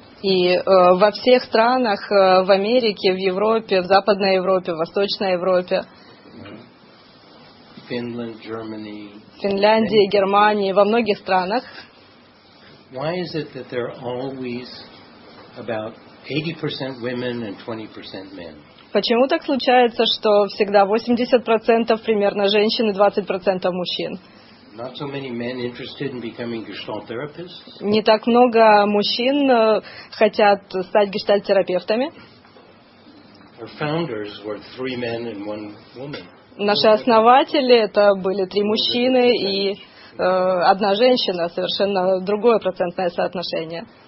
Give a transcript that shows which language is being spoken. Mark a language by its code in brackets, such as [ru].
[ru] И во всех странах в Америке, в Европе, в Западной Европе, в Восточной Европе. [en] Finland, Germany, [ru] Финляндии, Германии, во многих странах. [en] Why is it that there are always about 80% women and 20% men? [ru] Почему так случается, что всегда 80% примерно женщин и 20% мужчин? [en] Not so many men interested in becoming gestalt therapists. [ru] Не так много мужчин хотят стать гештальт-терапевтами. [en] Our founders were three men and one woman. [ru] Наши основатели это были три мужчины и одна женщина, совершенно другое процентное соотношение.